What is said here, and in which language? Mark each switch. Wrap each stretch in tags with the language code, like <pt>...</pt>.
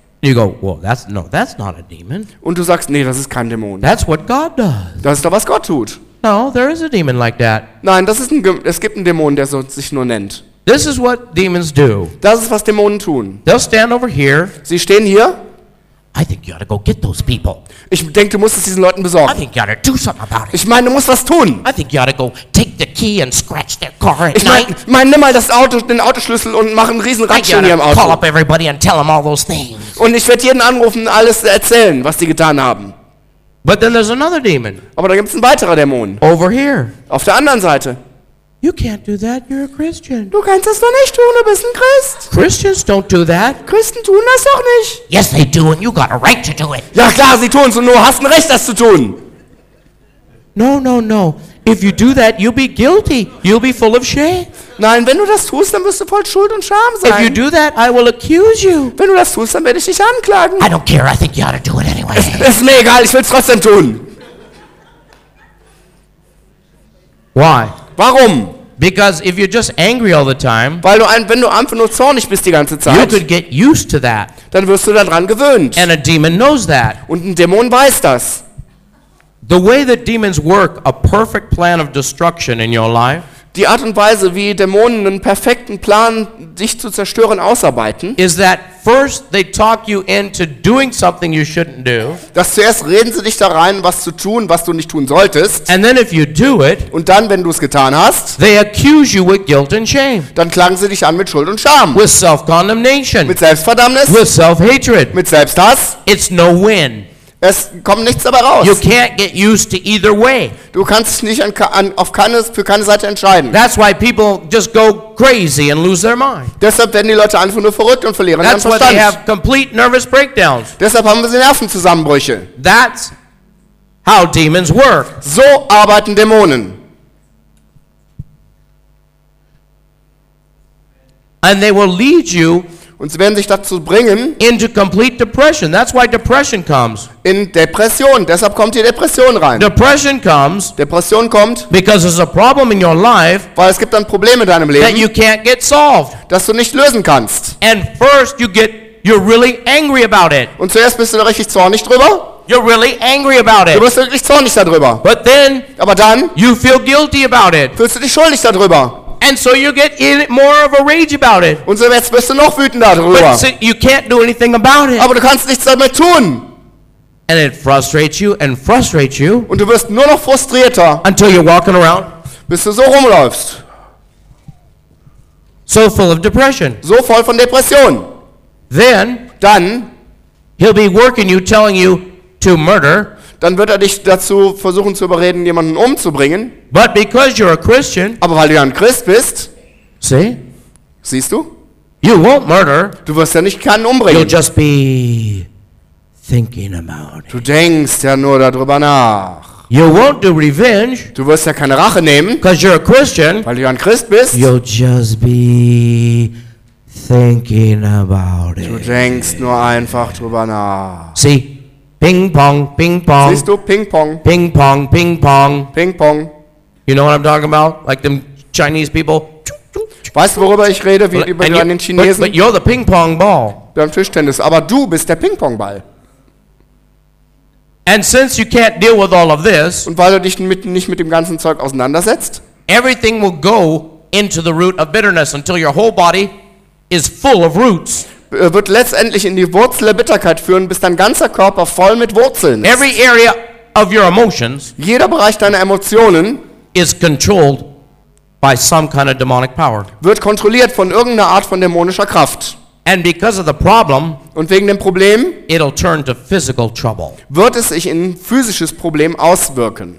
<en>You go, well, that's not a demon.</en> <de>Und du sagst, nee, das ist kein Dämon.</de> <en>That's what God does.</en> <de>Das ist doch, was Gott tut.</de> <en>No, there is a demon like that.</en> <de>Nein, es gibt einen Dämon, der so sich nur nennt.</de> <en>This is what demons do.</en> <de>Das ist, was Dämonen tun.</de> <en>They'll stand over here.</en> <de>Sie stehen hier.</de> <en>I think you ought to go get those people.</en> <de>Ich denke, du musst es diesen Leuten besorgen.</de> <en>I think you ought to do something about it.</en> <de>Ich meine, du musst was tun.</de> <en>I think you ought to go take the key and scratch their car at night.</en> <de>Ich meine, nimm mal das Auto, den Autoschlüssel und mach einen riesen Ratschen hier im Auto.</de> <en>Call up everybody and tell them all those things.</en> <de>Und ich werde jeden anrufen und alles erzählen, was die getan haben.</de> <en>But then there's another demon.</en> <de>Aber da gibt's einen weiteren Dämon.</de> <en>Over here.</en> <de>Auf der anderen Seite.</de> <en>You can't do that. You're a Christian.</en> <de>Du kannst das doch nicht tun. Du bist ein Christ.</de> <en>Christians don't do that.</en> <de>Christen tun das doch nicht.</de> <en>Yes, they do, and you got a right to do it.</en> <de>Ja klar, sie tun es, und du hast ein Recht, das zu tun.</de> <en>No, no, no. If you do that, you'll be guilty. You'll be full of shame.</en> <de>Nein, wenn du das tust, dann wirst du voll Schuld und Scham sein.</de> <en>If you do that, I will accuse you.</en> <de>Wenn du das tust, dann werde ich dich anklagen.</de> <en>I don't care. I think you ought to do it anyway.</en> <de>Ist mir egal. Ich will es trotzdem tun.</de> <en>Why?</en> <de>Warum?</de> <en>Because if you're just angry all the time,</en> <de>weil du wenn du einfach nur zornig bist die ganze Zeit,</de> <en>you could get used to that.</en> <de>Dann wirst du daran gewöhnt.</de> <en>And a demon knows that.</en> <de>Und ein Dämon weiß das.</de> <en>The way that demons work, a perfect plan of destruction in your life.</en> <de>Die Art und Weise, wie Dämonen einen perfekten Plan, dich zu zerstören, ausarbeiten,</de> <en>is that first they talk you into doing something you shouldn't do.</en> <de>Dass zuerst reden sie dich da rein, was zu tun, was du nicht tun solltest.</de> <en>And then if you do it,</en> <de>und dann, wenn du es getan hast,</de> <en>they accuse you with guilt and shame.</en> <de>Dann klagen sie dich an mit Schuld und Scham.</de> <en>With self-condemnation.</en> <de>Mit Selbstverdammnis.</de> <en>With self-hatred.</en> <de>Mit Selbsthass.</de> <en>It's no win.</en> <de>Es kommt nichts dabei raus.</de> <en>You can't get used to either way.</en> <de>Du kannst dich nicht für keine Seite entscheiden.</de> <en>That's why people just go crazy and lose their mind.</en> <de>Deshalb werden die Leute einfach nur verrückt und verlieren ihren Verstand.</de> <en>That's why they have complete nervous breakdowns.</en> <de>Deshalb haben sie Nervenzusammenbrüche.</de> <en>That's how demons work.</en> <de>So arbeiten Dämonen.</de> <en>And they will lead you.</en> <de>Und sie werden sich dazu bringen,</de> <en>into complete depression. That's why depression comes.</en> <de>In Depression. Deshalb kommt die Depression rein.</de> <en>Depression comes.</en> <de>Depression kommt.</de> <en>Because there's a problem in your life.</en> <de>Weil es gibt ein Problem in deinem Leben.</de> <en>That you can't get solved.</en> <de>Das du nicht lösen kannst.</de> <en>And first you're really angry about it.</en> <de>Und zuerst bist du da richtig zornig drüber.</de> <en>You're really angry about it.</en> <de>Du bist wirklich zornig darüber.</de> <en>But then.</en> <de>Aber dann.</de> <en>You feel guilty about it.</en> <de>Fühlst du dich schuldig darüber.</de> <en>And so you get more of a rage about it.</en> <de>Und so jetzt wirst du noch wütender darüber.</de> <en>But so you can't do anything about it.</en> <de>Aber du kannst nichts damit tun.</de> <en>And it frustrates you and frustrates you.</en> <de>Und du wirst nur noch frustrierter.</de> <en>Until you're walking around.</en> <de>Bis du so rumläufst.</de> <en>So full of depression.</en> <de>So voll von Depression.</de> <en>Then.</en> <de>Dann.</de> <en>He'll be working you, telling you to murder.</en> <de>Dann wird dich dazu versuchen zu überreden, jemanden umzubringen.</de> <en>But because you're a Christian,</en> <de>aber weil du ja ein Christ bist,</de> <en>see?</en> <de>Siehst du?</de> <en>You won't murder.</en> <de>Du wirst ja nicht keinen umbringen.</de> <en>You'll just be thinking about it.</en> <de>Du denkst ja nur darüber nach.</de> <en>You won't do revenge.</en> <de>Du wirst ja keine Rache nehmen.</de> <en>Because you're a Christian.</en> <de>Weil du ja ein Christ bist.</de> <en>You'll just be thinking about it.</en> <de>Du denkst nur einfach drüber nach.</de> <en>See? Ping pong, ping pong.</en> <de>Siehst du? Ping pong.</de> <en>Ping pong, ping pong. Ping pong. You know what I'm talking about? Like them Chinese people.</en> <de>Weißt du, worüber ich rede? Wie über den Chinesen?</de> <en>But you're the ping pong ball.</en> <de>Beim Tischtennis. Aber du bist der Ping pong ball.</de> <en>And since you can't deal with all of this.</en> <de>Und weil du dich nicht mit dem ganzen Zeug auseinandersetzt.</de> <en>Everything will go into the root of bitterness until your whole body is full of roots.</en> <de>Wird letztendlich in die Wurzel der Bitterkeit führen, bis dein ganzer Körper voll mit Wurzeln ist.</de> <en>Every area of your emotions.</en> <de>Jeder Bereich deiner Emotionen.</de> <en>Is controlled by some kind of demonic power.</en> <de>Wird kontrolliert von irgendeiner Art von dämonischer Kraft.</de> <en>And because of the problem,</en> <de>und wegen dem Problem,</de> <en>it'll turn to physical trouble.</en> <de>Wird es sich in physisches Problem auswirken.</de>